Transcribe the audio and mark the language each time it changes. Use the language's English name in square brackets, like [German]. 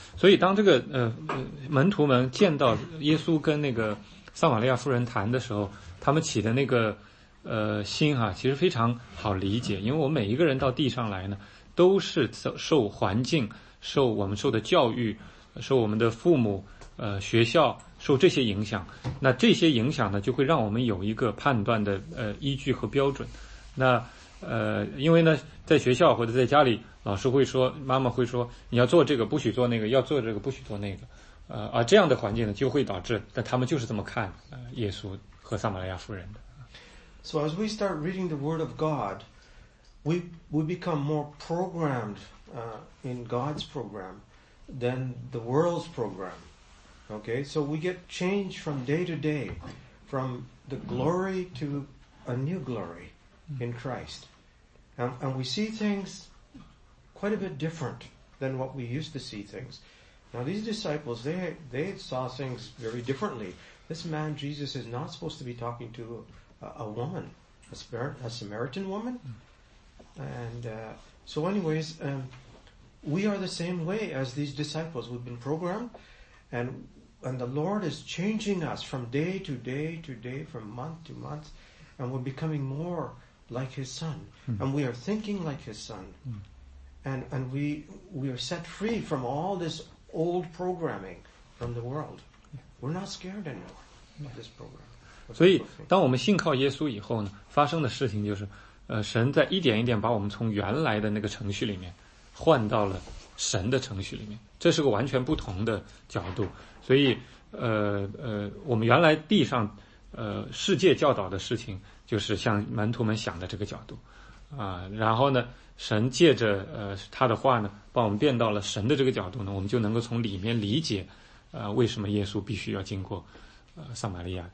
[Chinese] 所以当这个门徒们见到耶稣跟那个撒玛利亚妇人谈的时候，他们起的那个心啊，其实非常好理解，因为我每一个人到地上来呢，都是受环境，受我们受的教育，受我们的父母学校，受这些影响，那这些影响呢就会让我们有一个判断的依据和标准。那因为呢在学校或者在家里，老师会说，妈妈会说，你要做这个不许做那个，要做这个不许做那个，而这样的环境呢就会导致，但他们就是这么看耶稣和撒玛利亚妇人的。 [English] So as we start reading the word of God, we become more programmed in God's program than the world's program. Okay, so we get changed from day to day, from the glory to a new glory in Christ. And we see things quite a bit different than what we used to see things. Now these disciples, they saw things very differently. This man, Jesus, is not supposed to be talking to a woman, a Samaritan woman. And so anyways, we are the same way as these disciples. We've been programmed, and the Lord is changing us from day to day to day, from month to month, and we're becoming more like His Son. And we are thinking like His Son. And we are set free from all this old programming from the world. We're not scared anymore of this program. [Chinese] 所以当我们信靠耶稣以后呢，发生的事情就是神在一点一点把我们从原来的那个程序里面换到了神的程序里面，这是个完全不同的角度。所以我们原来地上世界教导的事情就是像门徒们想的这个角度然后呢神借着他的话呢把我们变到了神的这个角度呢，我们就能够从里面理解为什么耶稣必须要经过撒玛利亚。